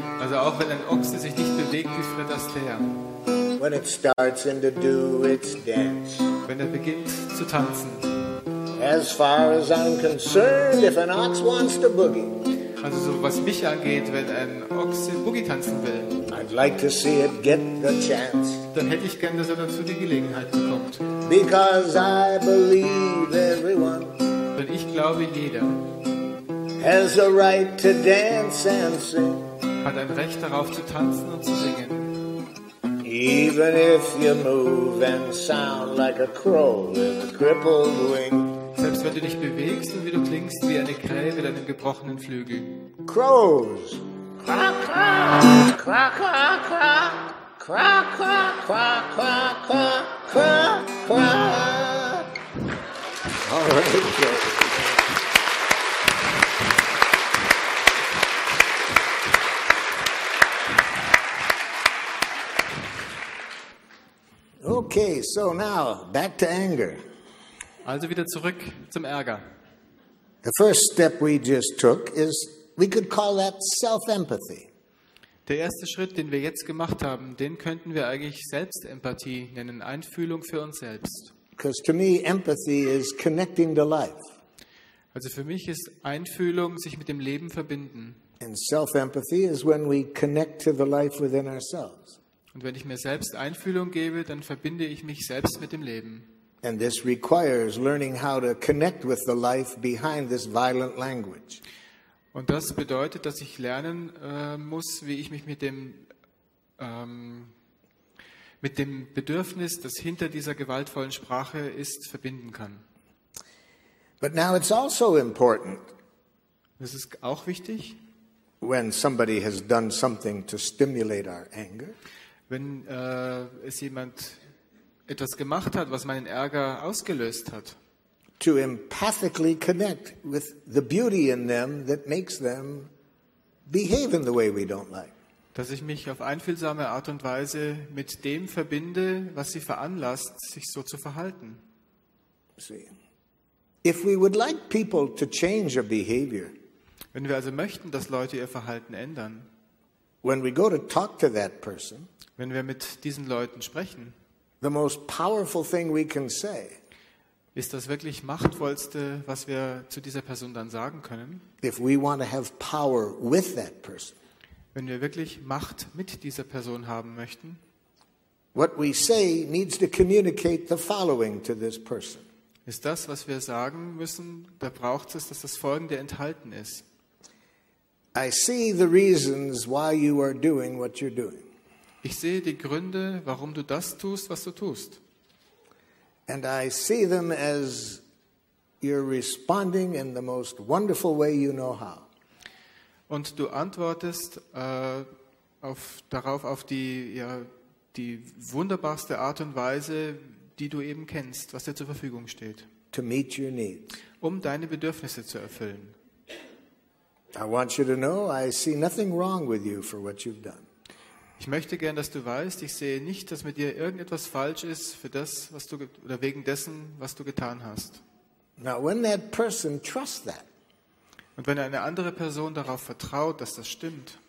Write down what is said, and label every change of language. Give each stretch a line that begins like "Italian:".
German: Also auch wenn ein Ochse sich nicht bewegt wie Fred Astaire.
English: When it starts in to do its dance.
German: Wenn er beginnt zu tanzen.
English: As far as I'm concerned, if an ox wants to boogie.
German: Also so was mich angeht, wenn ein Ochse boogie tanzen will.
English: I'd like to see it get the chance.
German: Dann hätte ich gern, dass er dazu die Gelegenheit bekommt.
English: Because I believe everyone.
German: Denn ich glaube jeder.
English: Has a right to dance and sing.
German: Hat ein Recht darauf zu tanzen und zu singen.
English: Even if you move and sound like a crow with a crippled wing.
German: Selbst wenn du dich bewegst und wie du klingst wie eine Krähe mit einem gebrochenen Flügel.
English: Crows. Quack quack quack quack quack quack quack quack quack quack quack quack. All right. Okay. Okay, so now back to anger.
German: Also wieder zurück zum Ärger.
English: The first step we just took is we could call that self-empathy.
German: Der erste Schritt, den wir jetzt gemacht haben, den könnten wir eigentlich Selbstempathie nennen, Einfühlung für uns selbst.
English: Because to me empathy is connecting to life.
German: Also für mich ist Einfühlung sich mit dem Leben verbinden.
English: And self-empathy is when we connect to the life within ourselves.
German: Und wenn ich mir selbst Einfühlung gebe, dann verbinde ich mich selbst mit dem Leben.
English: And this requires learning how to connect with the life behind this violent language.
German: Und das bedeutet, dass ich lernen muss, wie ich mich mit dem Bedürfnis, das hinter dieser gewaltvollen Sprache ist, verbinden kann.
English: But now it's also important.
German: Das ist auch wichtig.
English: When somebody has done something to stimulate our anger.
German: Wenn es jemand etwas gemacht hat, was meinen Ärger ausgelöst hat.
English: To empathically connect with the beauty in them that makes them behave in the way we don't like.
German: Dass ich mich auf einfühlsame Art und Weise mit dem verbinde, was sie veranlasst, sich so zu verhalten.
English: See. If we would like people to change a behavior.
German: Wenn wir also möchten, dass Leute ihr Verhalten ändern.
English: When we go to talk to that person.
German: Wenn wir mit diesen Leuten sprechen,
English: The most powerful thing we can say.
German: Ist das wirklich machtvollste, was wir zu dieser Person dann sagen können?
English: If we want to have power with that person.
German: Wenn wir wirklich Macht mit dieser Person haben möchten.
English: What we say needs to communicate the following to this person.
German: Ist das, was wir sagen müssen, da braucht es, dass das Folgende enthalten ist.
English: I see the reasons why you are doing what you're doing.
German: Ich sehe die Gründe, warum du das tust, was du tust.
English: And I see them as you're responding in the most wonderful way you know how.
German: Und du antwortest auf die wunderbarste Art und Weise, die du eben kennst, was dir zur Verfügung steht.
English: To meet your needs.
German: Um deine Bedürfnisse zu erfüllen.
English: I want you to know I see nothing wrong with you for what you've done.
German: Ich möchte gern, dass du weißt, ich sehe nicht, dass mit dir irgendetwas falsch ist für das, was du oder wegen dessen, was du getan hast.
English: Now when that person trusts that.
German: Und wenn eine andere Person darauf vertraut, dass das stimmt.